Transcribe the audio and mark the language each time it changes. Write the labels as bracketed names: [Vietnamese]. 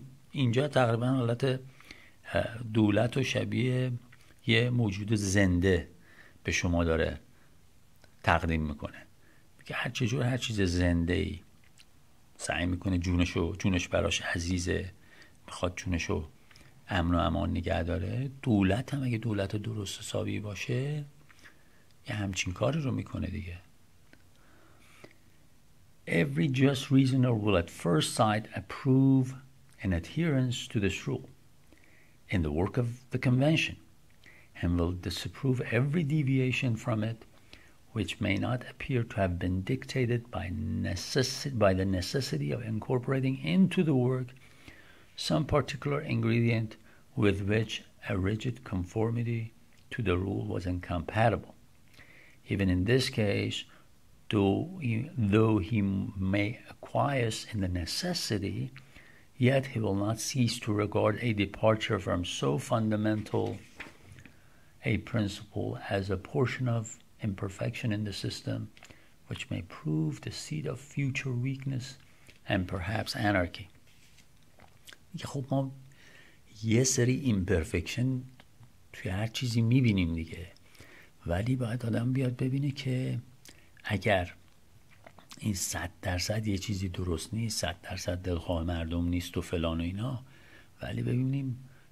[Persian] اینجا تقریبا حالت دولت و شبیه یه موجود زنده به شما داره تقدیم میکنه، که هر چجور هر چیز زنده ای سعی میکنه جونش براش عزیزه، میخواد جونشو امن و امان نگه داره، دولت هم اگه دولت درست حسابی باشه یه همچین کاری رو میکنه دیگه. [English] Every just reasoner will at first sight approve an adherence to this rule in the work of the convention and will disapprove every deviation from it which may not appear to have been dictated by the necessity of incorporating into the work some particular ingredient with which a rigid conformity to the rule was incompatible. Even in this case, though he may acquiesce in the necessity, yet he will not cease to regard a departure from so fundamental a principle as a portion of imperfection in the system which may prove the seed of future weakness and perhaps anarchy. [Persian] خب ما یه سری imperfection توی هر چیزی میبینیم دیگه، ولی باید آدم بیاد ببینه که اگر این 100% یه چیزی درست نیست، 100% دلخواه مردم نیست و فلان و اینا، ولی ببینیم